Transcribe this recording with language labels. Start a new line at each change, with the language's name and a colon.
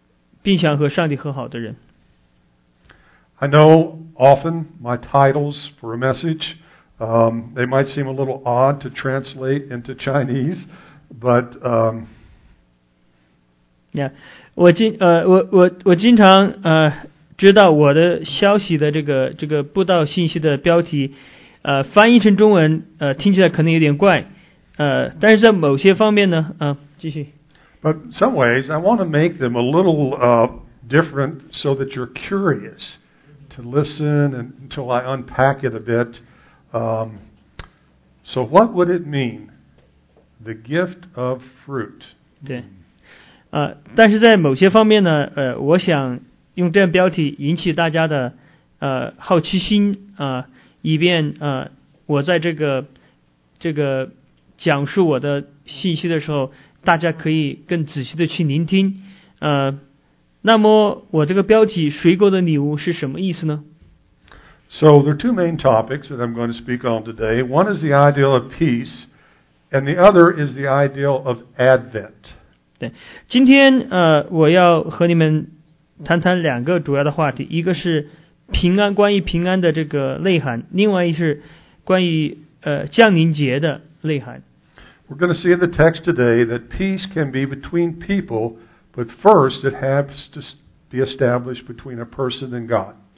Chinese: 对个人而言，就像思想和灵魂的平安，临到一个犯了罪或迷失了方向，并想和上帝和好的人。
English: I know often my titles for a message, they might seem a little odd to translate into Chinese, but But in some ways, I want to make them a little different so that you're curious to listen until I unpack it a bit. So what would it mean, the gift of fruit?
Chinese: 对，但是在某些方面呢，我想用这样标题引起大家的好奇心以便我在这个讲述我的信息的时候，大家可以更仔细的去聆听。那么我这个标题“水果的礼物”是什么意思呢？
English: So there are two main topics that I'm going to speak on today. One is the ideal of peace, and the other is the ideal of Advent.
Chinese: 对，今天我要和你们谈谈两个主要的话题，一个是平安，关于平安的这个内涵，另外一是关于降临节的内涵。
English: We're going to see in the text today that peace can be between people, but first it has to be established between a person and God.